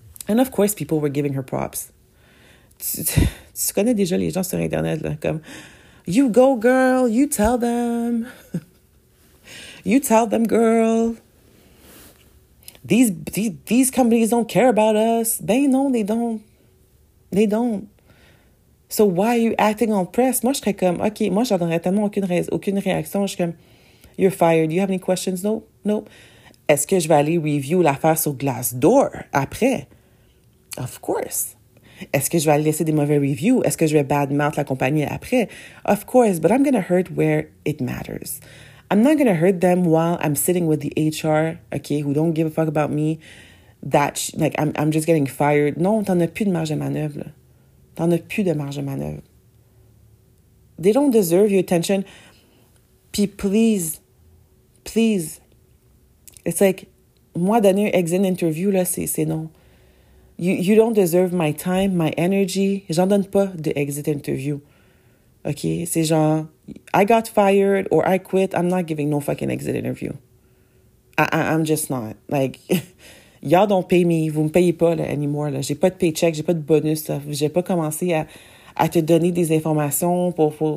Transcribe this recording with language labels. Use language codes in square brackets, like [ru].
[en] And of course, people were giving her props. [fr] Tu connais déjà les gens sur Internet, là, comme... [en] You go, girl! You tell them! You tell them, girl! These companies don't care about us! [fr] Ben non, [en] they don't. They don't. So why are you acting on press? [fr] Moi, je serais comme, OK, moi, j'attendrais tellement aucune réaction. Je suis comme, [en] you're fired. Do you have any questions? Nope. [fr] Est-ce que je vais aller review l'affaire sur Glassdoor après? [en] Of course. [fr] Est-ce que je vais aller laisser des mauvais reviews? Est-ce que je vais badmouth la compagnie après? [en] Of course, but I'm going to hurt where it matters. I'm not going to hurt them while I'm sitting with the HR, OK, who don't give a fuck about me, I'm just getting fired. [fr] Non, t'en as plus de marge de manœuvre, là. T'en as plus de marge de manœuvre. [en] They don't deserve your attention. [fr] Puis [en] please, please. It's like, [fr] moi donner un exit interview, là, c'est non. [en] You don't deserve my time, my energy. [fr] J'en donne pas de exit interview. [en] OK? [fr] C'est genre, [en] I got fired or I quit. I'm not giving no fucking exit interview. I'm just not. Like, Y'all don't pay me. [fr] Vous me payez pas là, anymore. Là. J'ai pas de paycheck. J'ai pas de bonus. Là. J'ai pas commencé à te donner des informations pour...